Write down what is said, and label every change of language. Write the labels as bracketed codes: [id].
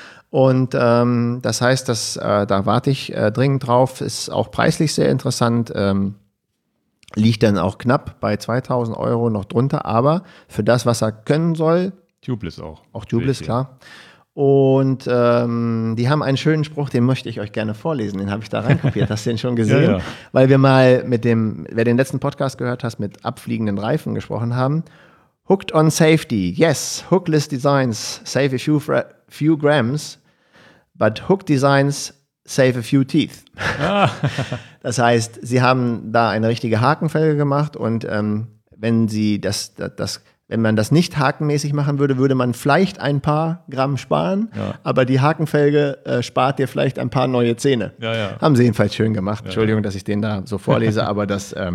[de] Und das heißt, dass da warte ich dringend drauf, ist auch preislich sehr interessant, liegt dann auch knapp bei 2000 Euro noch drunter, aber für das, was er können soll. Tubeless auch. Auch Tubeless, klar. Und die haben einen schönen Spruch, den möchte ich euch gerne vorlesen, den habe ich da reinkopiert, hast du den schon gesehen? Ja, ja. Weil wir mal mit dem, wer den letzten Podcast gehört hat, mit abfliegenden Reifen gesprochen haben. [en] Hooked on safety, yes, hookless designs save a few grams, but hooked designs save a few teeth. [de] Das heißt, sie haben da eine richtige Hakenfelge gemacht und wenn man das nicht hakenmäßig machen würde, würde man vielleicht ein paar Gramm sparen, aber die Hakenfelge spart dir vielleicht ein paar neue Zähne. Ja, ja. Haben sie jedenfalls schön gemacht. Ja, Entschuldigung, dass ich den da so vorlese, aber das...